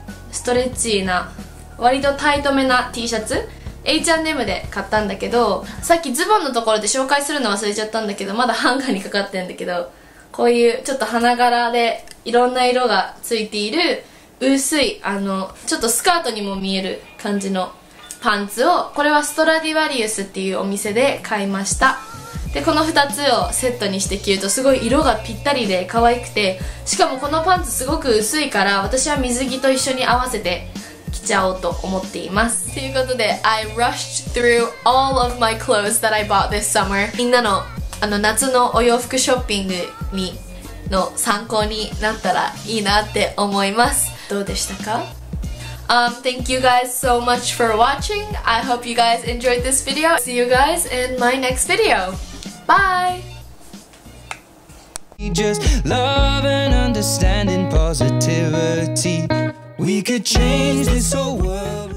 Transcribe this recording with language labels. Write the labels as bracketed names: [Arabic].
[Japanese] ストレッチーな割とタイトめな T シャツ H&M で買ったんだけど、さっきズボンのところで紹介するの忘れちゃったんだけど、まだハンガーにかかってるんだけど、こういうちょっと花柄でいろんな色がついている薄いあのちょっとスカートにも見える感じのパンツを、これはストラディバリウスっていうお店で買いました。でこの2つをセットにして着るとすごい色がぴったりで可愛くて、しかもこのパンツすごく薄いから私は水着と一緒に合わせて着ちゃおうと思っています。ということで [English] I rushed through all of my clothes that I bought this summer。 [Japanese] みんなの、 あの夏のお洋服ショッピングにの参考になったらいいなって思います。どうでしたか？ [English] Thank you guys so much for watching. I hope you guys enjoyed this video. See you guys in my next video. Bye! Just love and understanding positivity. We could change this whole world.